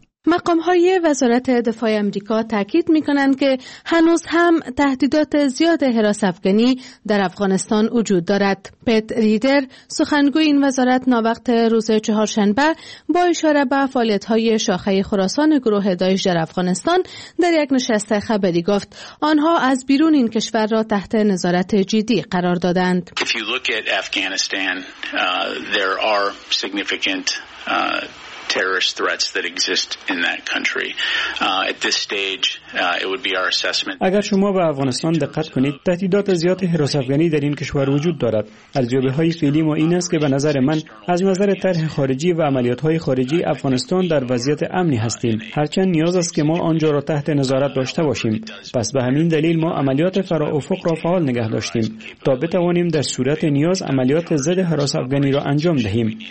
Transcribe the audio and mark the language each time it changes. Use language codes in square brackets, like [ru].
[fa] مقام‌های وزارت دفاع آمریکا تأکید می‌کنند که هنوز هم تهدیدات زیاد هراس افغانی در افغانستان وجود دارد. پت ریدر، سخنگوی این وزارت، ناوقت روز چهارشنبه با اشاره به فعالیت‌های شاخه خراسان گروه داعش در افغانستان در یک نشست خبری گفت آنها از بیرون این کشور را تحت نظارت جدی قرار دادند. [en] If you look at Afghanistan, there are significant terrorist threats that exist in that country. At this stage, it would be our assessment. [fa] اگر شما به افغانستان دقت کنید، تهدیدات زیاد هراس افغانی در این کشور وجود دارد. ارزیابی‌های فعلی ما این است که به نظر من از نظر طرح خارجی و عملیات‌های خارجی افغانستان در وضعیت امنی هستیم. هرچند نیاز است که ما آنجا را تحت نظارت داشته باشیم. پس به همین دلیل ما عملیات فرا افق را فعال نگه داشتیم تا بتوانیم در صورت نیاز عملیات ضد هراس افغانی را انجام دهیم.